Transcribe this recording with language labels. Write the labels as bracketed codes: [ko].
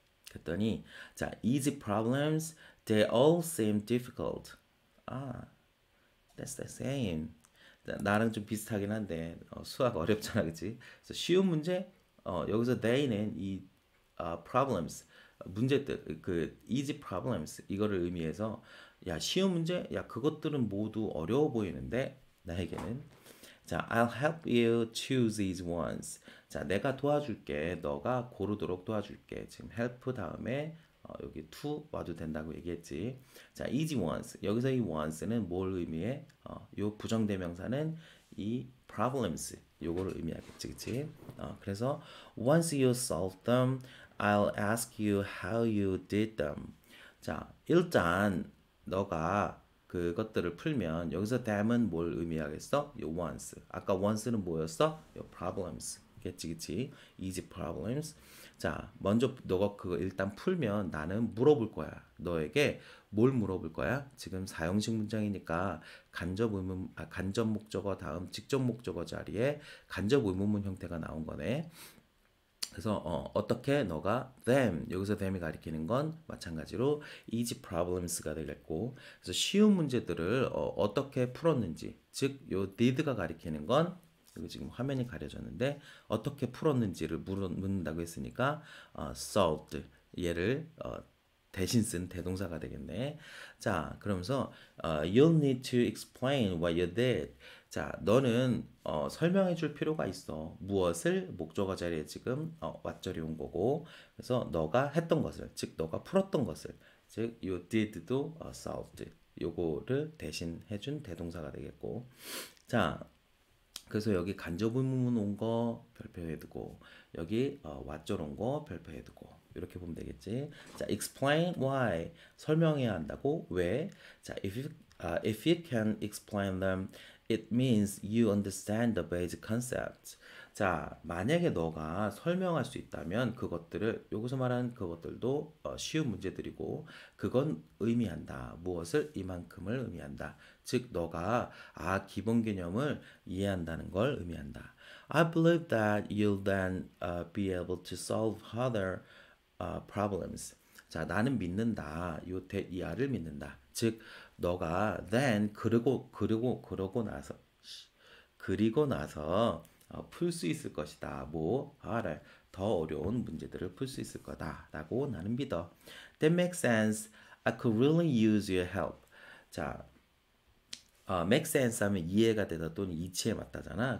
[ko] 그랬더니, 자, [en] easy problems, they all seem difficult. 아, that's the same. [ko] 나랑 좀 비슷하긴 한데, 수학 어렵잖아, 그치? 그래서 쉬운 문제, 여기서 they는 이 problems, 문제들, 그 [en] easy problems, [ko] 이거를 의미해서, 야, 쉬운 문제? 야, 그것들은 모두 어려워 보이는데, 나에게는. [en] 자, I'll help you choose these ones. 자, [ko] 내가 도와줄게. 너가 고르도록 도와줄게. 지금 help 다음에 여기 to 와도 된다고 얘기했지. 자, easy ones. 여기서 이 ones는 뭘 의미해? 요 부정대명사는 이 problems. 요거를 의미하겠지, 그치? [en] 그래서 once you solve them, I'll ask you how you did them. [ko] 자, 일단 너가 그것들을 풀면 여기서 them은 뭘 의미하겠어? 요 once. 아까 once는 뭐였어? 요 problems. 그치, 그치? [en] Easy problems. [ko] 자, 먼저 너가 그거 일단 풀면 나는 물어볼 거야. 너에게 뭘 물어볼 거야? 지금 사형식 문장이니까 간접 의문, 아, 간접 목적어 다음 직접 목적어 자리에 간접 의문문 형태가 나온 거네. 그래서 어떻게 너가 them 여기서 them이 가리키는 건 마찬가지로 easy problems가 되겠고 그래서 쉬운 문제들을 어떻게 풀었는지 즉요 did가 가리키는 건 여기 지금 화면이 가려졌는데 어떻게 풀었는지를 묻는다고 했으니까 solved 얘를 대신 쓴 대동사가 되겠네. [en] 자, 그러면서 you'll need to explain what you did. [ko] 자, 너는 설명해 줄 필요가 있어. 무엇을 목적어 자리에 지금 왓절이 온 거고. 그래서 너가 했던 것을, 즉 너가 풀었던 것을, 즉 you did도 solved. 요거를 대신 해준 대동사가 되겠고. 자, 그래서 여기 간접 의문문 온거 별표해 두고 여기 왓절 온거 별표해 두고 이렇게 보면 되겠지. 자, explain why 설명해야 한다고 왜? [en] 자, if you can explain them, it means you understand the basic concept. [ko] 자, 만약에 너가 설명할 수 있다면 그것들을 여기서 말한 그것들도 쉬운 문제들이고 그건 의미한다. 무엇을 이만큼을 의미한다. 즉, 너가 기본 개념을 이해한다는 걸 의미한다. [en] I believe that you'll then be able to solve other problems. [ko] 자, 나는 믿는다. 요 대, 이하를 믿는다. 즉, 너가 then 그러고 나서 그리고 나서 풀수 있을 것이다. 뭐 하를 더 어려운 문제들을 풀수 있을 거다라고 나는 믿어. [en] That makes sense. I could really use your help. 자, [ko] make sense 하면 이해가 되다 또는 이치에 맞다잖아.